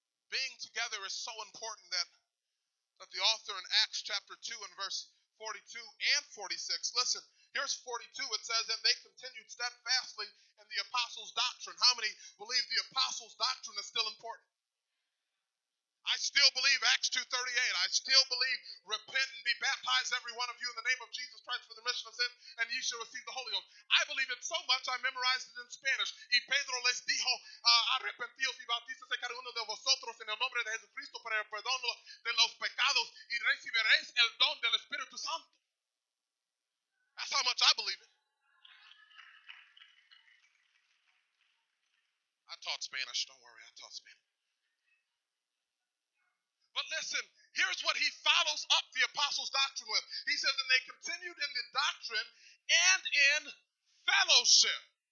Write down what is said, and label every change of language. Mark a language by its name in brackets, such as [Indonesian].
[English] Being together is so important that the author in Acts chapter 2 and verse 42 and 46, listen, here's 42, it says, and they continued steadfastly in the apostles' doctrine. How many believe the apostles' doctrine is still important? I still believe Acts 2:38. I still believe repent and be baptized, every one of you, in the name of Jesus Christ for the remission of sins, and ye shall receive the Holy Ghost. I believe it so much I memorized it in Spanish. [Spanish] Y Pedro les dijo, arrepentíos y bautízase cada uno de vosotros en el nombre de Jesucristo para el perdón de los pecados y recibiréis el don del Espíritu Santo. [English] That's how much I believe it. I taught Spanish. Don't worry, I taught Spanish. But listen, here's what he follows up the apostles' doctrine with. He says, and they continued in the doctrine and in fellowship.